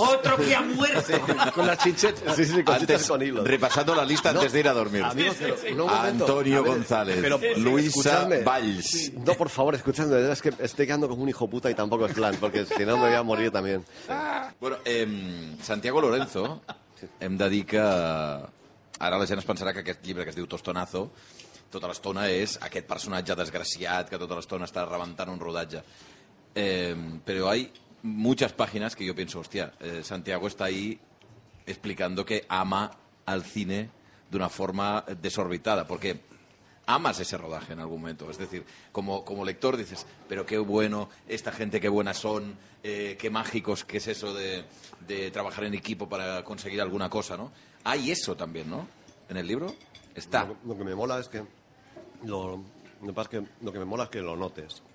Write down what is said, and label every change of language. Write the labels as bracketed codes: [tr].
[es] Otro que ha muerto. Sí, con las chinchetas. Sí, cositas con hilos. Repasando la lista antes de ir a dormir. Amigos, Antonio González, pero, Luisa Valls. Sí. No, por favor, escuchadme. Es que estoy quedando como un hijo puta y tampoco es plan, porque si no me voy a morir también. Sí. Bueno, Santiago Lorenzo... [ca] Hem de dir que ara la gent es pensarà que aquest llibre que es diu Tostonazo tota l'estona és aquest personatge desgraciat que tota l'estona està rebentant un rodatge. Però hi ha moltes pàgines que jo penso, hòstia, Santiago està [es] ahí explicando que ama el cine [ca] d'una forma desorbitada, perquè [es] amas ese rodaje en algún momento. Es decir, como, como lector dices, pero qué bueno, esta gente qué buena son, qué mágicos, qué es eso de trabajar en equipo para conseguir alguna cosa, ¿no? Hay eso también, ¿no? En el libro está. Lo que me mola es que lo que me mola es que lo notes.